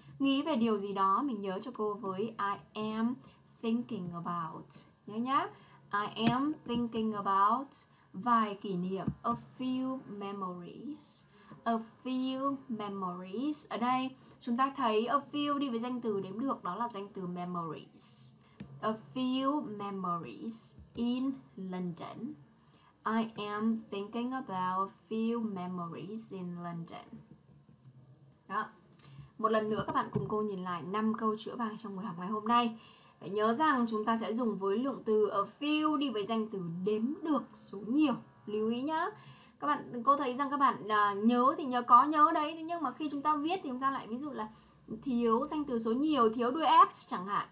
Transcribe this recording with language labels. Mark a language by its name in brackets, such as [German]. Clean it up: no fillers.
[Vietnamese] Nghĩ về điều gì đó, mình nhớ cho cô với [English] I am thinking about. [Vietnamese] Nhớ nhá. [English] I am thinking about [Vietnamese] vài kỷ niệm. [English] A few memories. A few memories. [Vietnamese] Ở đây chúng ta thấy a few đi với danh từ đếm được, đó là danh từ memories. [English] A few memories in London. I am thinking about a few memories in London. [Vietnamese] Đó. Một lần nữa các bạn cùng cô nhìn lại 5 câu chữa vàng trong buổi học ngày hôm nay. Phải nhớ rằng chúng ta sẽ dùng với lượng từ a few đi với danh từ đếm được số nhiều. Lưu ý nhá. Các bạn, cô thấy rằng các bạn nhớ thì nhớ có nhớ đấy. Nhưng mà khi chúng ta viết thì chúng ta lại ví dụ là thiếu danh từ số nhiều, thiếu đuôi s chẳng hạn.